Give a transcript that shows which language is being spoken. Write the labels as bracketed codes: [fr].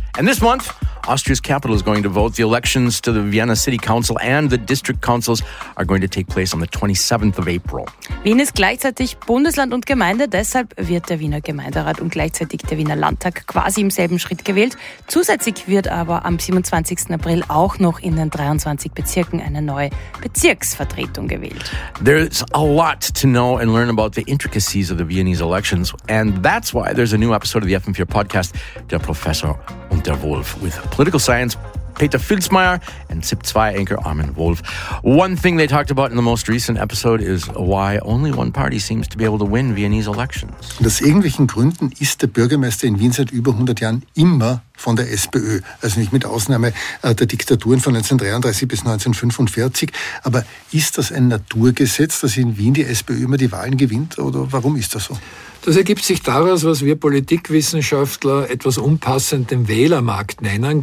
[en] And this month, Austria's capital is going to vote. The elections to the Vienna City Council and the district councils are going to take place on the 27th of April. [de] Wien ist gleichzeitig Bundesland und Gemeinde, deshalb wird der Wiener Gemeinderat und gleichzeitig der Wiener Landtag quasi im selben Schritt gewählt. Zusätzlich wird aber am 27. April auch noch in den 23 Bezirken eine neue Bezirksvertretung gewählt. [en] There's a lot to know and learn about the intricacies of the Viennese elections, and that's why there's a new episode of the FM4 podcast, Der Professor und der Wolf, with political science Peter Filzmaier and SIP2 anchor Armin Wolf. One thing they talked about in the most recent episode is why only one party seems to be able to win Viennese elections. [de] Und aus irgendwelchen Gründen ist der Bürgermeister in Wien seit über 100 Jahren immer von der SPÖ, also nicht mit Ausnahme der Diktaturen von 1933 bis 1945. Aber ist das ein Naturgesetz, dass in Wien die SPÖ immer die Wahlen gewinnt, oder warum ist das so? Das ergibt sich daraus, was wir Politikwissenschaftler etwas unpassend den Wählermarkt nennen.